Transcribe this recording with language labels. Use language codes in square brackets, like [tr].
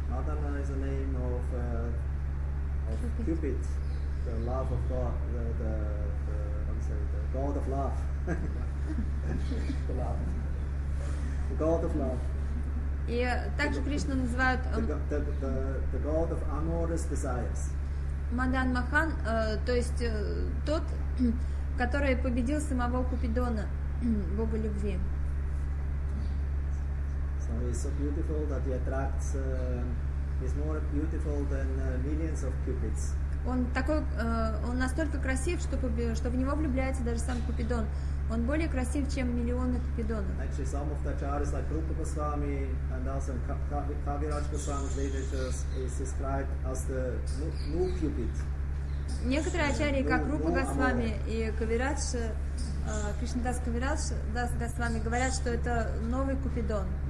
[en] Madana is the name of Cupid, the love of God, the God of love. The God of love. [ru] И также Кришну называют [en] the God of amorous desires. [ru] Мадан Махан, то есть тот, который победил самого Купидона, бога любви. [en] So he's so beautiful that he attracts he's more beautiful than millions of cupids. [ru] Он такой, он настолько красив, что в него влюбляется даже сам Купидон. Он более красив, чем миллионы купидонов. [en] Actually, some of the acharyas, like Rupa Goswami and also Kaviraj Goswami's literature, is described as the new Cupid. [ru] Некоторые ачарьи, как Рупа Госвами и Кавирадж, Кришнадас Кавирадж, Дас Госвами, говорят, что это новый Купидон.